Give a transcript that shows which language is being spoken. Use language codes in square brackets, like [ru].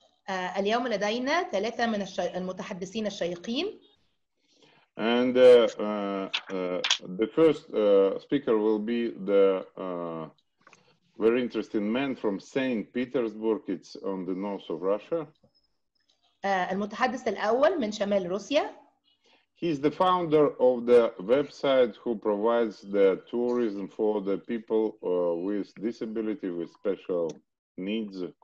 [ar] اليوم لدينا ثلاثة من المتحدثين الشيقين. [en] And the first speaker will be the very interesting man from Saint Petersburg. It's on the north of Russia. [ar] المتحدث الأول من شمال روسيا. [en] He's the founder of the website who provides the tourism for the people with disability, with special needs.